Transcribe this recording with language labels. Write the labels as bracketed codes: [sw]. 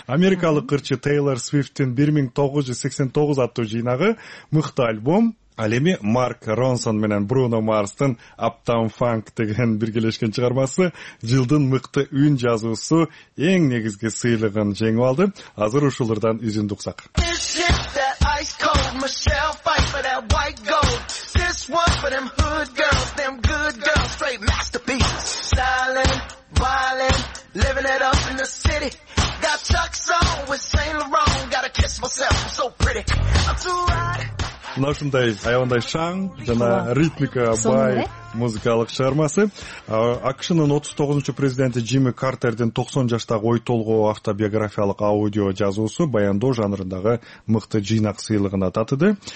[ky] Америкалык ырчы Тейлор Свифттин 1989 аттуу жыйнагы мыкты альбом, ал эми Марк Ронсон менен Бруно Марстын Uptown Funk деген биргелешкен чыгармасы жылдын мыкты үн жазуусу эң негизги сыйлыгын жеңип алды. Азыр ушул ырдан үзүндү уксак. [en] One for them hood girls, them good girls, straight masterpieces. Stylin', wildin', living it up in the city. Got chucks on with Saint Laurent, gotta kiss myself, I'm so pretty. I'm too hot. [ky] Мына ушундай аябандай шаң жана ритмика бай музыкалык чыгармасы. АКШнын 39-чу президенти Джимми Картердин 90 жаштагы ой толгоо автобиографиялык аудио жазуусу баяндоо жанрындагы мыкты жыйнак сыйлыгына татыды.